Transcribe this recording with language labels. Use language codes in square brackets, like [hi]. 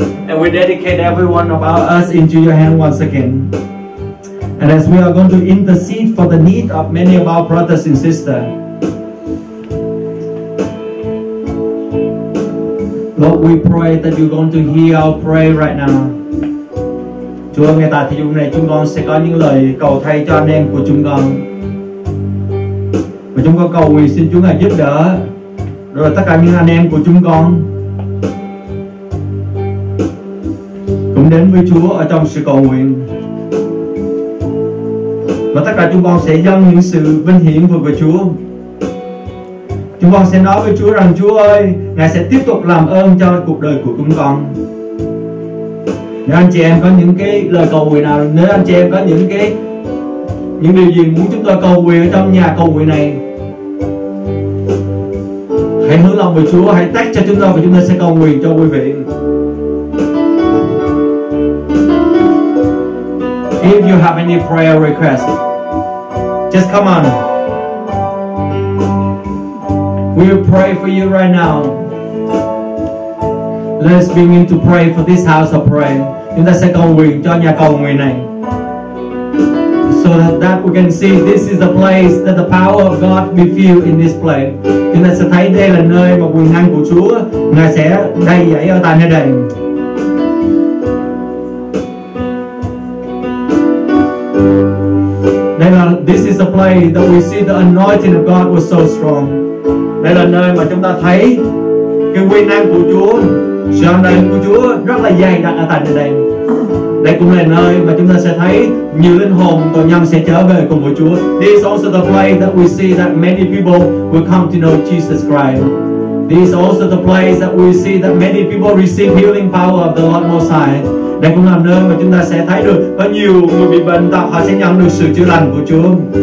[en] And we dedicate every one of us into your hand once again. And as we are going to intercede for the need of many of our brothers and sisters, Lord, we pray that you're going to hear our prayer right now. [vi] Chúa, ngày tại thời điểm này chúng con sẽ có những lời cầu thay cho anh em của chúng con. Và chúng con cầu nguyện xin Chúa ngài giúp đỡ rồi tất cả những anh em của chúng con cũng đến với Chúa ở trong sự cầu nguyện. Và tất cả chúng con sẽ dâng những sự vinh hiển về Chúa. Chúng con sẽ nói với Chúa rằng, Chúa ơi, ngài sẽ tiếp tục làm ơn cho cuộc đời của chúng con. Nếu anh chị em có những cái lời cầu nguyện nào, nếu anh chị em có những điều gì muốn chúng tôi cầu nguyện ở trong nhà cầu nguyện này, hãy hướng lòng với Chúa, hãy tách cho chúng tôi và chúng tôi sẽ cầu nguyện cho quý vị. [en] If you have any prayer request, just come on. We will pray for you right now. Let's begin to pray for this house of prayer. [vi] Chúng ta sẽ cầu nguyện cho nhà cầu nguyện này. [en] So that we can see this is the place that the power of God be filled in this place. [vi] Chúng ta sẽ thấy đây là nơi mà quyền năng của Chúa ngài sẽ đầy dẫy ở tại nơi đây. [en] This is the place that we see the anointing of God was so strong. [vi] Đây là nơi mà chúng ta thấy cái quyền năng của Chúa, sự ân điển của Chúa rất là dày đặc ở tại nơi đây. Đây cũng là nơi mà chúng ta sẽ thấy nhiều linh hồn tội nhân sẽ trở về cùng với Chúa. [en] This is also the place that we see that many people will come to know Jesus Christ. This is also the place that we see that many people receive healing power of the Lord Most High. [vi] Đây cũng là nơi mà chúng ta sẽ thấy được có nhiều người bị bệnh tật họ sẽ nhận được sự chữa lành của Chúa.